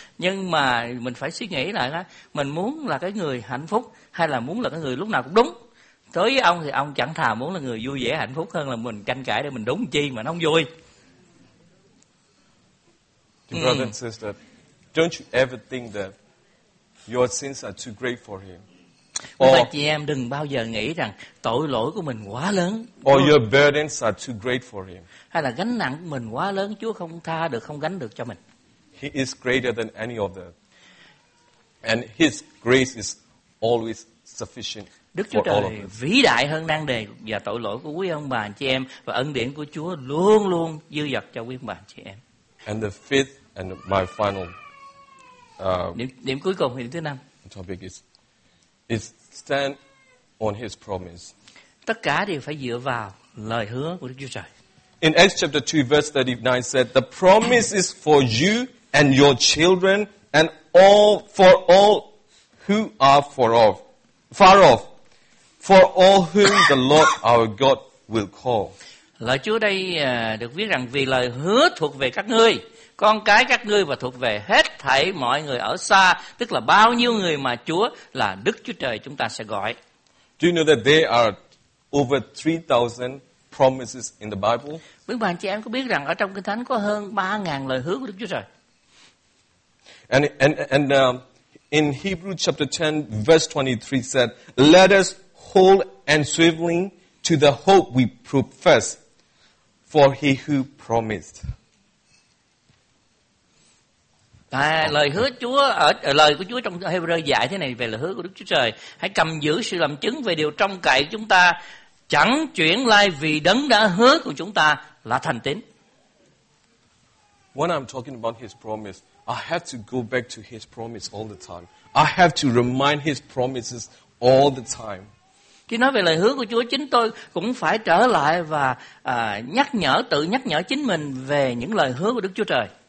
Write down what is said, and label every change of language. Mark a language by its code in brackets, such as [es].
[vi] Nhưng mà mình phải suy nghĩ lại đó, mình muốn là cái người hạnh phúc hay là muốn là cái người lúc nào cũng đúng. Tới với ông thì ông chẳng thà muốn là người vui vẻ hạnh phúc hơn là mình tranh cãi để mình đúng chi mà nó không vui. [en] Dear brother and sister, don't you ever think that your sins are too great for him? [vi] Or, chị em đừng bao giờ nghĩ rằng tội lỗi của mình quá lớn. [en] Or your burdens are too great for him. [vi] Hay là gánh nặng của mình quá lớn, Chúa không tha được, không gánh được cho mình. [en] He is greater than any of them. And his grace is always sufficient. [vi] Đức Chúa Trời vĩ đại hơn nan đề và tội lỗi của quý ông bà anh chị em và ân điển của Chúa luôn luôn dư dật cho quý ông bà anh chị em. [en] And the fifth and my final [vi] điểm cuối cùng, điểm thứ năm. [en] Topic is stand on his promise. [vi] Tất cả đều phải dựa vào lời hứa của Đức Chúa Trời. [en] In Acts chapter 2 verse 39 said the promise is for you and your children and all for all who are far off. For all whom the Lord our God will call. [vi] Lời Chúa đây được viết rằng vì lời hứa thuộc về các ngươi, con cái các ngươi và thuộc về hết thảy mọi người ở xa, tức là bao nhiêu người mà Chúa là Đức Chúa Trời chúng ta sẽ gọi. [en] Do you know that there are over 3,000 promises in the Bible? [vi] Quý bạn chị em có biết rằng ở trong Kinh Thánh có hơn 3,000 lời hứa của Đức Chúa Trời. [en] And in Hebrews chapter 10 verse 23 said, let us hold and swiveling to the hope we profess, for he who promised. [vi] Lời hứa Chúa lời của Chúa trong Hebrew dạy thế này về lời hứa của Đức Chúa Trời, hãy cầm giữ sự làm chứng về điều trông cậy chúng ta, chẳng chuyển lai vì đấng đã hứa của chúng ta là thành tín. [en] When I'm talking about his promise, I have to go back to his promise all the time. I have to remind his promises all the time. [vi] Khi nói về lời hứa của Chúa, chính tôi cũng phải trở lại và nhắc nhở chính mình về những lời hứa của Đức Chúa Trời.